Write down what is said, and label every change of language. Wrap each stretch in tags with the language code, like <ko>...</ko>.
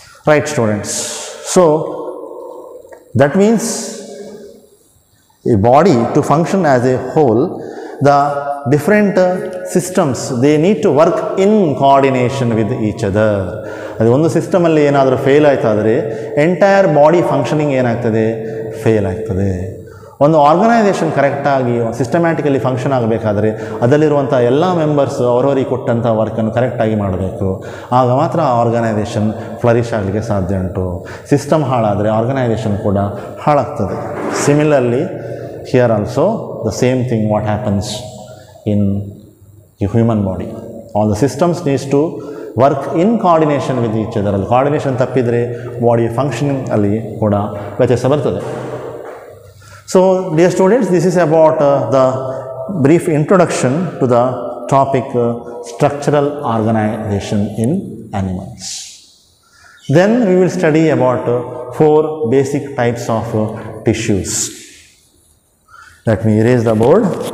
<en>Right, students. So that means a body to function as a whole, the different systems, they need to work in coordination with each other.</en> <kn>ಅದು ಒಂದು ಸಿಸ್ಟಮಲ್ಲಿ ಏನಾದರೂ fail ಆಯ್ತಾದರೆ entire body functioning ಏನಾಗ್ತದೆ, fail ಆಗ್ತದೆ. ಒಂದು organisation ಕರೆಕ್ಟಾಗಿ systematically function ಆಗಬೇಕಾದ್ರೆ ಅದರಲ್ಲಿರುವಂಥ ಎಲ್ಲ members ಅವರವರಿಗೆ ಕೊಟ್ಟಂಥ ವರ್ಕನ್ನು ಕರೆಕ್ಟಾಗಿ ಮಾಡಬೇಕು. ಆಗ ಮಾತ್ರ ಆ ಆರ್ಗನೈಸೇಷನ್ ಫ್ಲರಿಶ್ ಆಗಲಿಕ್ಕೆ ಸಾಧ್ಯ ಉಂಟು. ಸಿಸ್ಟಮ್ ಹಾಳಾದರೆ ಆರ್ಗನೈಸೇಷನ್ ಕೂಡ ಹಾಳಾಗ್ತದೆ.</kn> <en>Similarly here also the same thing what happens in you human body. All the systems needs to work in coordination with each other.</en> <kn>ಅಲ್ಲಿ ಕೋಆರ್ಡಿನೇಷನ್ ತಪ್ಪಿದರೆ ಬಾಡಿ ಫಂಕ್ಷನಿಂಗ್ ಅಲ್ಲಿ ಕೂಡ ವ್ಯತ್ಯಾಸ ಬರ್ತದೆ.</kn> <en>So, dear students, this is about the brief introduction to the topic structural organization in animals. Then we will study about four basic types of tissues. Let me erase the board.</en>